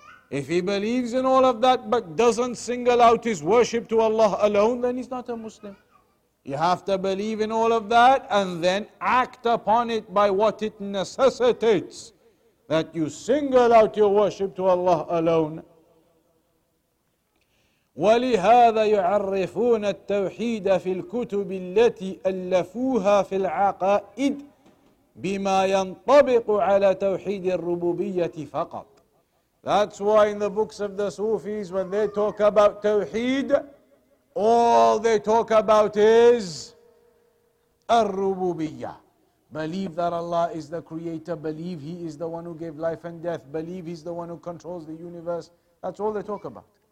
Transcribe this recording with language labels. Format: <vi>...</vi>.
<en>If he believes in all of that but doesn't single out his worship to Allah alone, then he's not a Muslim. You have to believe in all of that and then act upon it by what it necessitates, that you single out your worship to Allah alone.</en> <ar>ولهذا يعرفون التوحيد في الكتب التي ألفوها في العقائد بما ينطبق على توحيد الربوبية فقط.</ar> <en>That's why in the books of the Sufis, when they talk about tawheed, all they talk about is الربوبية. Believe that Allah is the creator, believe he is the one who gave life and death, believe he's the one who controls the universe. That's all they talk about.</en>